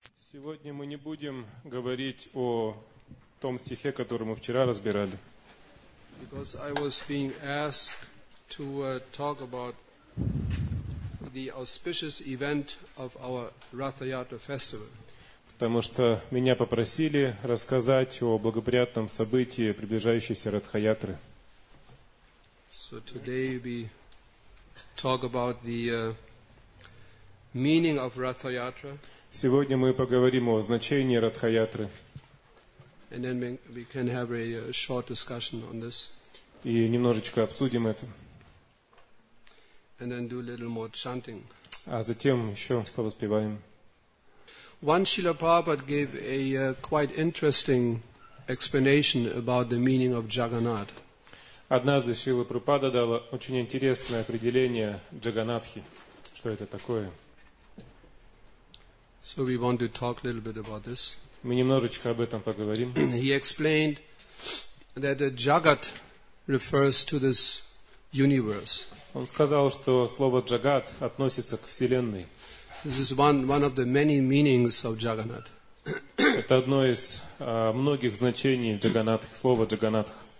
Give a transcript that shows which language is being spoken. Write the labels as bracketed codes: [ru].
[ru] Сегодня мы не будем говорить о том стихе, который мы вчера разбирали. [en] Because I was being asked to talk about the auspicious event of our Rathayatra festival. [ru] Потому что меня попросили рассказать о благоприятном событии приближающейся Ратхаятры. [en] So today we talk about the meaning of Rathayatra. [ru] Сегодня мы поговорим о значении Ратхаятры. [en] And then we can have a short discussion on this. [ru] И немножечко обсудим это. [en] And then do a little more chanting. [ru] А затем еще повоспеваем. [en] One Srila Prabhupada gave a quite interesting explanation about the meaning of Jagannath. [ru] Однажды Шрила Прабхупада дала очень интересное определение Джаганатхи, что это такое. [en] So we want to talk a little bit about this. [ru] Мы немножечко об этом поговорим. [en] He explained that the Jagat refers to this universe. [ru] Он сказал, что слово Джагат относится к вселенной. [en] This is one of the many meanings of Jagannath. [ru] Это одно из многих значений Джаганатх, слова Джаганатх.